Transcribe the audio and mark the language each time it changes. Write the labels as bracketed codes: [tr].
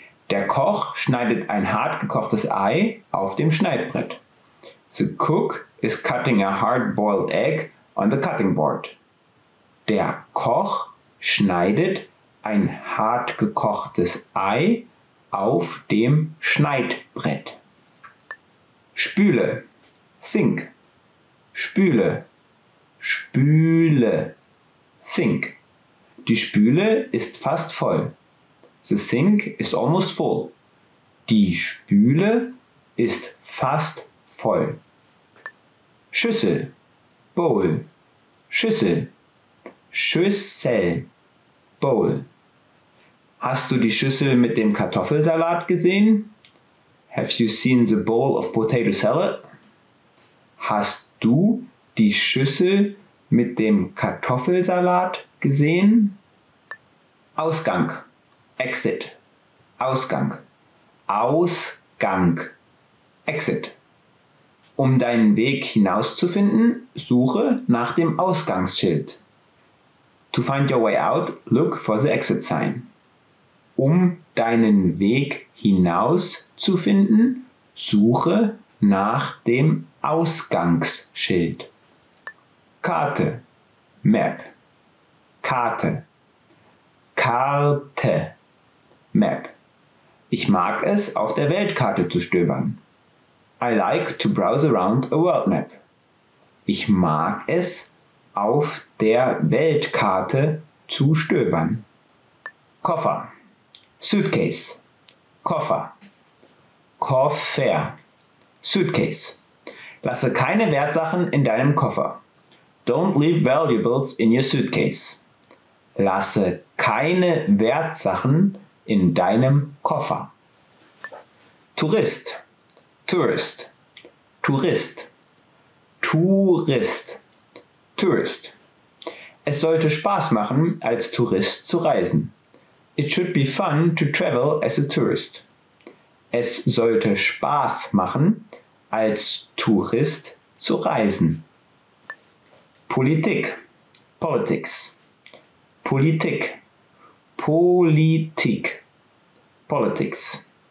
[de] Der Koch schneidet ein hart gekochtes Ei auf dem Schneidbrett. [en] The cook is cutting a hard-boiled egg on the cutting board. [de] Der Koch schneidet ein hart gekochtes Ei auf dem Schneidbrett. Spüle, sink, spüle, spüle, sink. Die Spüle ist fast voll. [en] The sink is almost full. [de] Die Spüle ist fast voll. Schüssel, bowl, Schüssel, Schüssel, bowl. Hast du die Schüssel mit dem Kartoffelsalat gesehen? [en] Have you seen the bowl of potato salad? [de] Hast du die Schüssel mit dem Kartoffelsalat gesehen? Ausgang, exit, Ausgang, Ausgang, exit. Um deinen Weg hinauszufinden, suche nach dem Ausgangsschild. [en] To find your way out, look for the exit sign. [de] Um deinen Weg hinauszufinden, suche nach dem Ausgangsschild. Karte, Map, Karte, Karte, Map. Ich mag es, auf der Weltkarte zu stöbern. [en] I like to browse around a world map. [de] Ich mag es, auf der Weltkarte zu stöbern. Koffer, Suitcase, Koffer, Koffer, Suitcase. Lasse keine Wertsachen in deinem Koffer. [en] Don't leave valuables in your suitcase. [de] Lasse keine Wertsachen in deinem Koffer. Tourist, Tourist, Tourist, Tourist, Tourist. Es sollte Spaß machen, als Tourist zu reisen. [en] It should be fun to travel as a tourist. [de] Es sollte Spaß machen, als Tourist zu reisen. Politik, politics, Politik, Politik, politics.